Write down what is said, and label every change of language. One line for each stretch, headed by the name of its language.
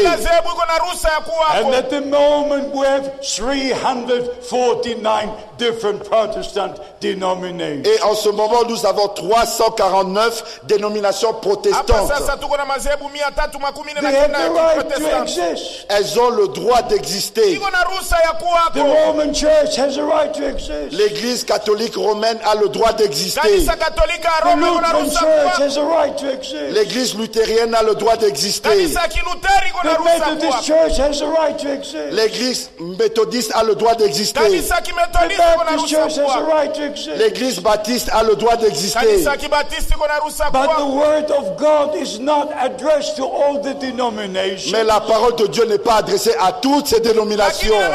English: And at the moment we have 349 different Protestant denominations.
French: Et en ce moment nous avons 349 dénominations protestantes.
English: They have the right to exist.
French: Elles ont le droit d'exister.
English: The Roman Church has a right to exist.
French: L'Église catholique romaine a le droit d'exister.
English: The Lutheran Church has a right to exist.
French: L'Église luthérienne a le droit d'exister.
English: The Methodist Church has a right to exist.
French: L'Église méthodiste a le droit d'exister.
English: The Baptist Church has a right to exist.
French: L'Église baptiste a le droit d'exister.
English: But the word of God is not addressed to all the denominations.
French: Mais la parole de Dieu n'est pas adressé à toutes ces dénominations.